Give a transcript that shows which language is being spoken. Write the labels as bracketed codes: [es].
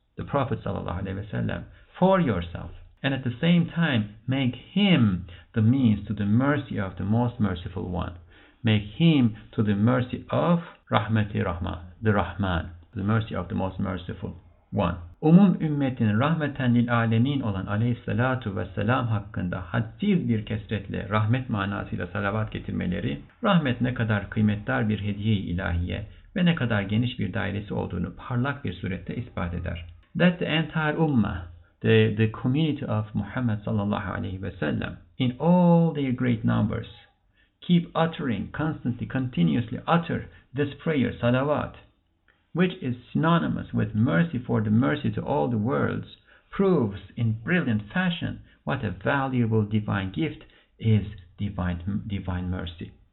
[en] The Prophet sallallahu alaihi wasallam, for yourself, and at the same time make him the means to the mercy of the most merciful one. make him to the mercy of Rahmeti Rahman, the Rahman, the mercy of the most merciful one. [tr] Umum ümmetin rahmeten lil alemin olan aleyhissalatu vesselam hakkında hadsiz bir kesretle rahmet manasıyla salavat getirmeleri, rahmet ne kadar kıymetli bir hediye-i ilahiye ve ne kadar geniş bir dairesi olduğunu parlak bir surette ispat eder. [en] That the entire ummah, the community of Muhammed sallallahu aleyhi ve sellem, in all their great numbers, keep uttering, constantly, continuously utter this prayer, salavat, which is synonymous with mercy for the mercy to all the worlds, proves in brilliant fashion what a valuable divine gift is divine mercy.